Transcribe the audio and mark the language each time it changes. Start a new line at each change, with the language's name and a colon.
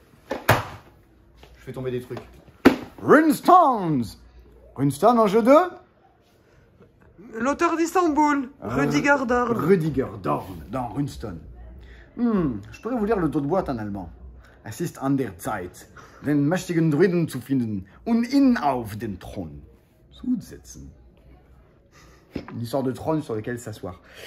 French: Je fais tomber des trucs. Runestones. Runestones, un jeu de l'auteur d'Istanbul, Rüdiger Dorn. Rüdiger Dorn, dans Runestones. Je pourrais vous lire le dos de boîte en allemand.
German: Assist an der Zeit, den mächtigen Druiden zu finden und ihn auf den Thron zu setzen.
French: Une histoire de trône sur lequel s'asseoir.